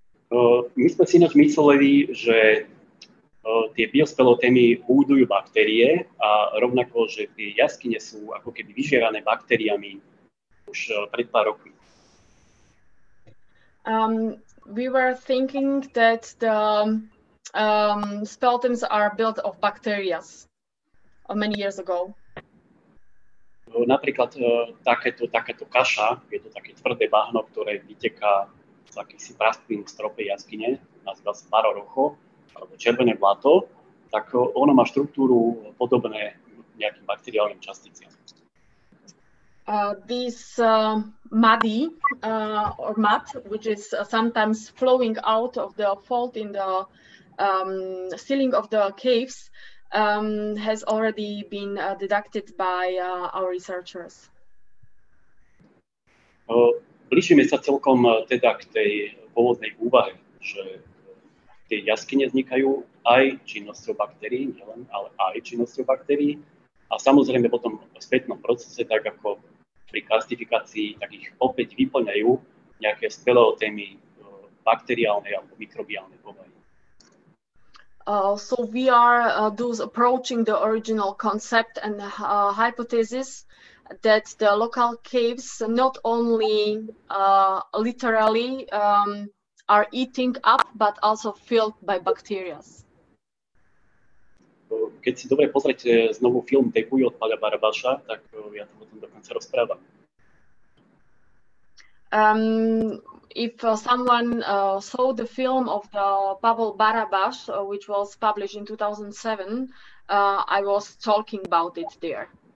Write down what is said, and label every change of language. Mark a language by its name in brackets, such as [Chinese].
[Slovak] My sme si ináč mysleli, že tie biospeleothemy budujú baktérie a rovnako, že tie jaskyne sú ako keby vyžierané baktériami už pred pár rokmi. [English] We were thinking that the speleothems are built of bacteria many years ago. [Slovak] Napríklad takéto kaša, je to také tvrdé bahno, ktoré vyteká z akýchsi prasklín v strope jaskyne, nazýva sa barorocho, alebo červené blato, tak ono má štruktúru podobné nejakým bakteriálnym časticiam. [English] this muddy or mud, which is sometimes flowing out of the fault in the ceiling of the caves, has already been deducted by our researchers. [Slovak] Blížime sa celkom teda k tej pôvodnej úvahe, že tie jaskyne vznikajú aj činnosťou baktérií, nielen, ale aj činnosťou baktérií. A samozrejme potom v spätnom procese, tak ako pri klasifikácii, tak ich opäť vyplňajú nejaké speleotémy bakteriálnej alebo mikrobiálnej povahy. [English] So we are those approaching the original concept and hypothesis that the local caves not only literally are eating up, but also filled by bacteria. [Slovak] Keď si dobre pozrieť znovu film Tepui od Paľa Barabáša, tak ja to potom dokonca rozprávam. [English] If someone saw the film of the Pavel Barabáš, which was published in 2007, I was talking about it there.